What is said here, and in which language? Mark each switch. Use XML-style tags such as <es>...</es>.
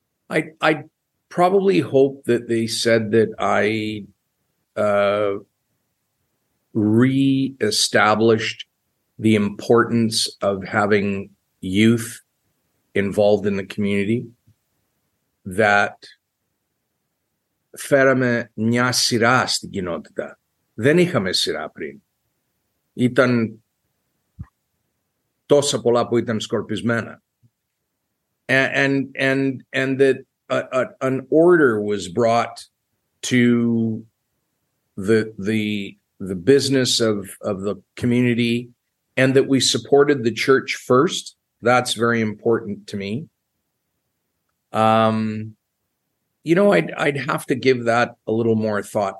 <en>I probably hope that they said that I re-established the importance of having youth involved in the community, that</en> <el>φέραμε μια σειρά στην κοινότητα. Δεν είχαμε σειρά πριν. Ήταν τόσα πολλά που ήταν σκορπισμένα.</el> <en>And that an order was brought to the business of the community, and that we supported the church first That's very important to me. You know, I'd have to give that a little more thought.</en>